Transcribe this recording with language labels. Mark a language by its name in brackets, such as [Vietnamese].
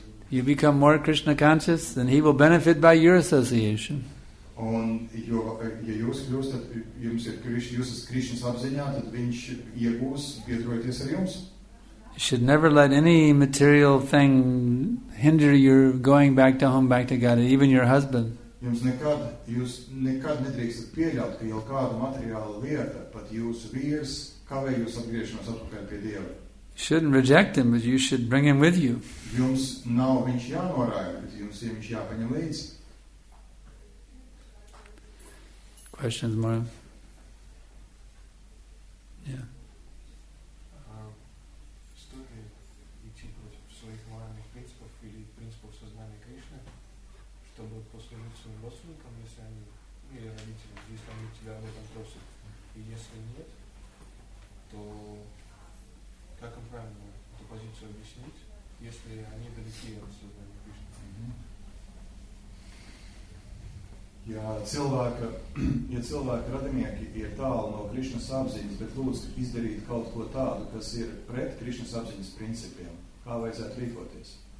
[English] You become more Krishna conscious, then he will benefit by your association. [Latvian] Un jo, ja jūs kļūstat, jums ir jūsas Krišņas apziņā, tad viņš iegūs piedroties ar jums. [English] You should never let any material thing hinder your going back to home, back to God, even your husband. [Latvian] Jūs nekad nedrīkstat pieļaut, ka jau kāda materiāla lieta, pat jūsu vīrs, kavē jūs atgriešanos atpakaļ pie Dieva. [English] You shouldn't reject him, but you should bring him with you. [Latvian] Jums nav viņš jānorāja, bet jums ir viņš jāpaņem līdz. [English] Questions, Mara? Yeah. [Russian] Что ты идти против своих моральных принципов или принципов сознания Кришны, чтобы послужить своим родственникам, если они или родителям, если они тебя об этом просят, и если нет, то как им правильно эту позицию объяснить, если они далеки от сознания Кришны? [Latvian] Ja cilvēki radinieki ir tālu no Krišņas apziņas, bet lūdz izdarīt kaut ko tādu, kas ir pret Krišņas apziņas principiem, kā vajadzētu rīkoties?